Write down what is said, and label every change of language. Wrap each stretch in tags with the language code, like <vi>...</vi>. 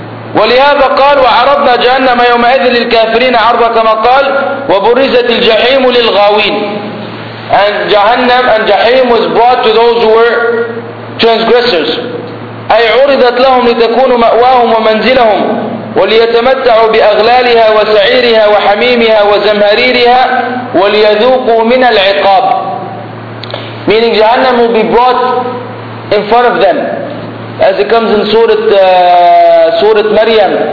<ar>ولهذا قال وعرضنا جهنم يومئذ للكافرين عرضا كما قال وبرزت الجحيم للغاوين.</ar> <en>And Jahannam and Jahim was brought to those who were transgressors.</en> <ar>أي عرضت لهم لتكون مأواهم ومنزلهم وليتمتعوا بأغلالها وسعيرها وحميمها وزمهريرها وليذوقوا من العقاب.</ar> <en>Meaning Jahannam will be brought in front of them. As it comes in Surah Maryam.</en>